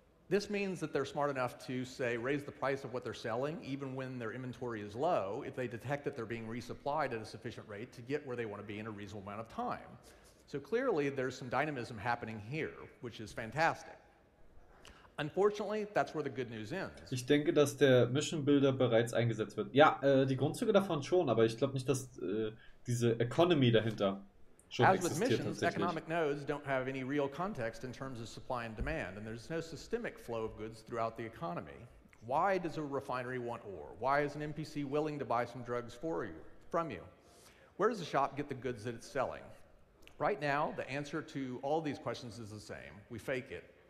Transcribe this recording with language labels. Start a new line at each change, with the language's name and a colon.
English: This means that they're smart enough to, say, raise the price of what they're selling, even when their inventory is low, if they detect that they're being resupplied at a sufficient rate to get where they want to be in a reasonable amount of time. So clearly, there's some dynamism happening here, which is fantastic. Unfortunately, that's where the good news ends.
German: Ich denke, dass der Mission Builder bereits eingesetzt wird. Ja, die Grundzüge davon schon, aber ich glaube nicht, dass diese Economy dahinter schon existiert tatsächlich.
English: As with missions, economic nodes don't have any real context in terms of supply and demand, and there's no systemic flow of goods throughout the economy. Why does a refinery want ore? Why is an NPC willing to buy some drugs from you? Where does the shop get the goods that it's selling? Right now, the answer to all these questions is the same. We fake it.